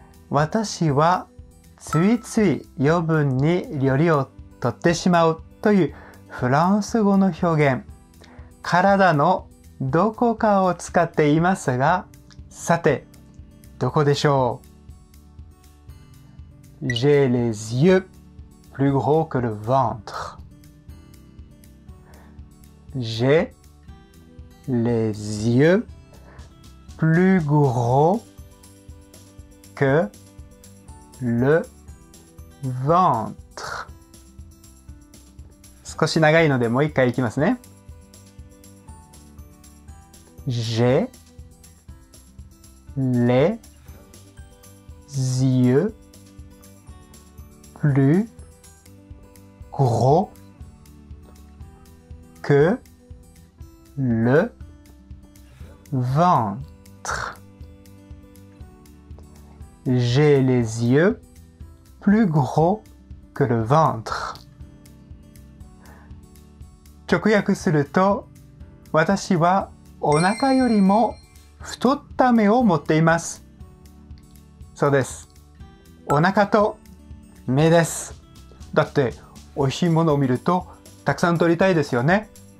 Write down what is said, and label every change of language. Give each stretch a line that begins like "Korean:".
Japanese: 私は、ついつい余分に料理を取ってしまうというフランス語の表現、体のどこかを使っていますが、さて、どこでしょう？
French: J'ai les yeux plus gros que le ventre. J'ai les yeux plus gros que le ventre.
Japanese: 少し長いのでもう一回いきますね。
French: J'ai les yeux plus gros que le ventre. J'ai les yeux plus gros que le ventre.
Japanese: 直訳すると、私はお腹よりも太った目を持っています。そうです。お腹と目です。だって、美味しいものを見るとたくさん取りたいですよね。